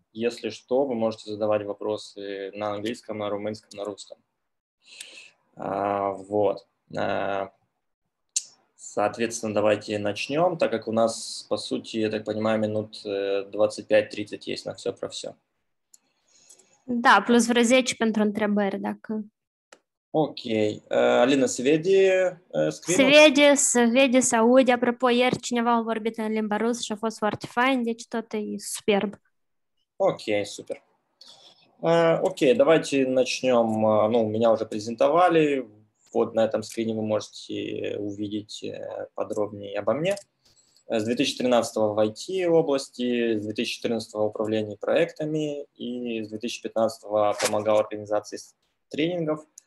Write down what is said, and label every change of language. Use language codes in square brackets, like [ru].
[ru] Если что, вы можете задавать вопросы на английском, на румынском, на русском. Вот. Соответственно, давайте начнем, так как у нас, по сути, я так понимаю, минут 25-30 есть на все про все. [ro] Da, plus vreo 10 pentru întrebări, dacă... Ok. Alina, se vede screen-ul? Se vede, se aude. Apropo, ieri cineva a vorbit în limba rusă și a fost foarte fain, deci tot e superb. Ok, super. [ru] Ok, давайте начнем. Ну, меня уже презентовали. Вот на этом скрине вы можете увидеть подробнее обо мне. С 2013-го в IT-области, с 2014-го в управлении проектами и с 2015-го помогал организации тренингов.